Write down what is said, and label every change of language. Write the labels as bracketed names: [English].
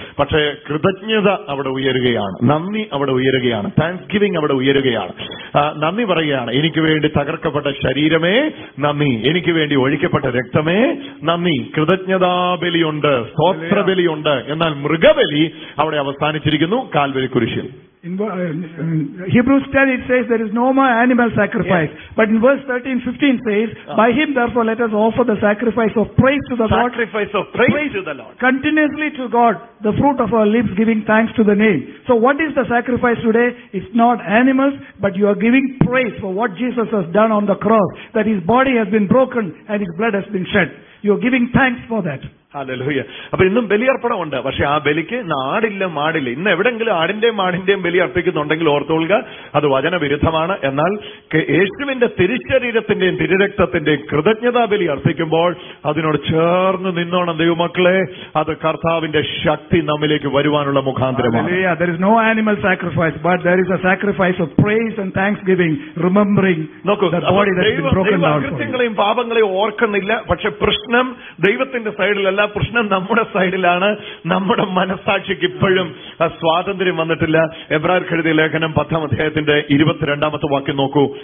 [Malayalam] പക്ഷേ കൃതജ്ഞത അവിടെ ഉയരുകയാണ്, നന്ദി അവിടെ ഉയരുകയാണ്, താങ്ക്സ് ഗിവിംഗ് അവിടെ ഉയരുകയാണ്. നന്ദി പറയുകയാണ്, എനിക്ക് വേണ്ടി തകർക്കപ്പെട്ട ശരീരമേ നന്ദി, എനിക്ക് വേണ്ടി ഒഴിക്കപ്പെട്ട രക്തമേ നന്ദി. കൃതജ്ഞതാബലിയുണ്ട്, സ്തോത്രബലിയുണ്ട്. എന്നാൽ മൃഗബലി അവിടെ അവസാനിച്ചിരിക്കുന്നു, കാൽവരി കുരിശിൽ. [English] In Hebrews 10 it says there is no more animal sacrifice, yes. But in verse 13-15 says, by him therefore let us offer the sacrifice of praise to the sacrifice sacrifice of praise to the Lord continuously to God, the fruit of our lips giving thanks to the name. So what is the sacrifice today? It's not animals, but you are giving praise for what Jesus has done on the cross, that his body has been broken and his blood has been shed. You are giving thanks for that. [Malayalam] Hallelujah. അപ്പൊ ഇന്നും ബലിയർപ്പണമുണ്ട്, പക്ഷെ ആ ബലിക്ക് ആടില്ല മാടില്ല. ഇന്ന് എവിടെങ്കിലും ആടിന്റെയും മാടിന്റെയും ബലി അർപ്പിക്കുന്നുണ്ടെങ്കിൽ ഓർത്തുകൊള്ളുക, അത് വചനവിരുദ്ധമാണ്. എന്നാൽ യേശുവിന്റെ തിരുശരീരത്തിന്റെയും തിരുരക്തത്തിന്റെയും കൃതജ്ഞതാ ബലി അർപ്പിക്കുമ്പോൾ അതിനോട് ചേർന്ന് നിന്നോണം ദൈവമക്കളെ, അത് കർത്താവിന്റെ ശക്തി നമ്മിലേക്ക് വരുവാനുള്ള മുഖാന്തരമാണ്. [English] There is no animal sacrifice, but there is a sacrifice of praise and thanksgiving, remembering the body that has been broken down. [Malayalam] പാപങ്ങളെ ഓർക്കുന്നില്ല, പക്ഷെ പ്രശ്നം ദൈവത്തിന്റെ സൈഡിലല്ല, പ്രശ്നം നമ്മുടെ സൈഡിലാണ്. നമ്മുടെ മനസ്സാക്ഷിക്ക് ഇപ്പോഴും സ്വാതന്ത്ര്യം വന്നിട്ടില്ല. എബ്രായർ കെഴുതിയ ലേഖനം 10-ാം അധ്യായത്തിന്റെ 22-ാമത്തെ വാക്യം നോക്കൂ.